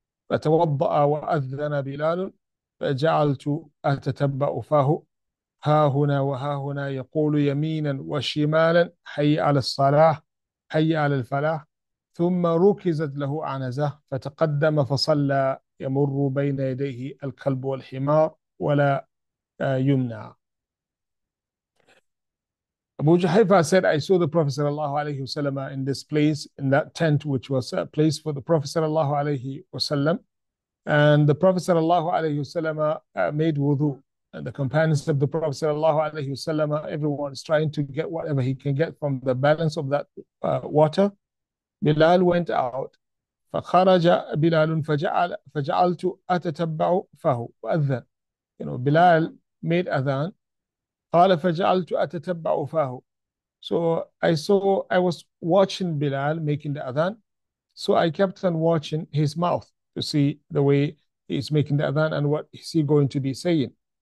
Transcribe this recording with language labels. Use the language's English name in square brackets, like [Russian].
[Arabic] فتوضأ وأذن بلال، فجعلت أتتبع فاه ها هنا وها هنا يقول يمينا وشمالا حي على الصلاة حي على الفلاح. ثم ركزت له عنزة فتقدم فصلى، يمر بين يديه الكلب والحمار ولا يمنع. [English] Abu Juhayfa said, I saw the Prophet sallallahu alayhi wasallam in this place, in that tent, which was a place for the Prophet sallallahu alayhi wasallam. And the Prophet sallallahu alayhi wasallam made wudu. And the companions of the Prophet sallallahu alayhi wasallam, everyone is trying to get whatever he can get from the balance of that water. Bilal went out. [Arabic] فخرج بلال فجعل فجعلت أتتبع فه وأذن. [English] You know, Bilal made adhan. [Arabic] قال فجعلت أتتبع فاه. [English] So I was watching Bilal making the adhan. So I kept on watching his mouth to see the way he's making the adhan and what is he going to be saying.